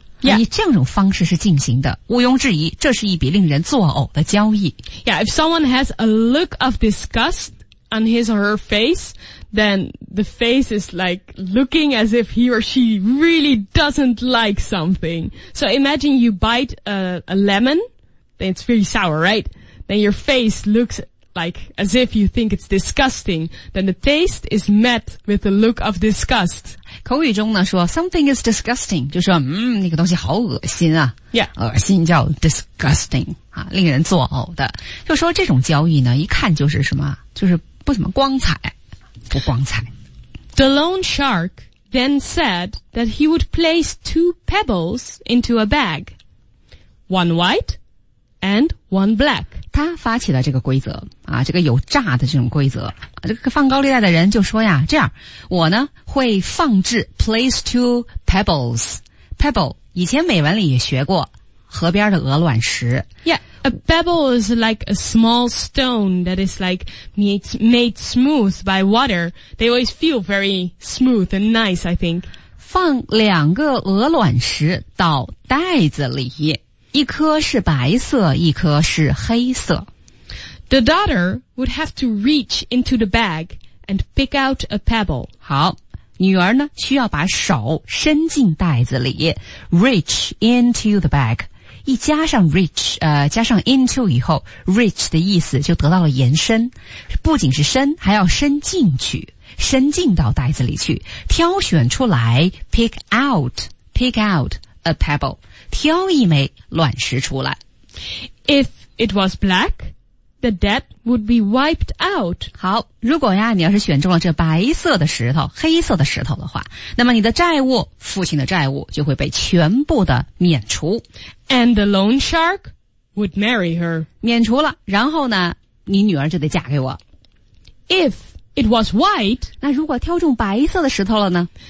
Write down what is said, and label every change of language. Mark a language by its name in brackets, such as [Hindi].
[English] Yeah. [Chinese] 以这样一种方式是进行的，毋庸置疑，这是一笔令人作呕的交易。 [English] Yeah, if someone has a look of disgust on his or her face, then the face is like looking as if he or she really doesn't like something. So imagine you bite a lemon, then it's really sour, right? Then your face looks like as if you think it's disgusting. Then the taste is met with a look of disgust. [Chinese] 口语中呢说 [English] something is disgusting, [Chinese] 就说那个东西好恶心啊。 [English] Yeah. [Chinese] 恶心叫 disgusting, 啊，令人作呕的。就说这种交易呢一看就是什么，就是不怎么光彩。不光彩。 [English] The loan shark then said that he would place two pebbles into a bag. One white and one black. [Chinese] 他发起了这个规则啊，这个有诈的这种规则。这个放高利贷的人就说呀，这样我呢会放置 [English] place two pebbles. [Chinese] Pebble, 以前美文里也学过河边的鹅卵石。 [English] Yeah. A pebble is like a small stone that is like made smooth by water. They always feel very smooth and nice, I think. [Chinese] 放两个鹅卵石到袋子里，一颗是白色，一颗是黑色。 [English] The daughter would have to reach into the bag and pick out a pebble. [Chinese] 好，女儿呢，需要把手伸进袋子里， [English] reach into the bag. [Chinese] 一加上 reach, 加上 into 以后 ,reach 的意思就得到了延伸。不仅是伸，还要伸进去，伸进到袋子里去，挑选出来 , [English] pick out a pebble, [Chinese] 挑一枚卵石出来。 [English] If it was black, the debt would be wiped out. [Chinese] 好，如果呀你要是选中了这白色的石头，黑色的石头的话，那么你的债务，父亲的债务就会被全部的免除。 [English] And the loan shark would marry her. [Chinese] 免除了，然后呢，你女儿就得嫁给我。 [English] If it was white, [Chinese] 那如果挑中白色的石头了呢？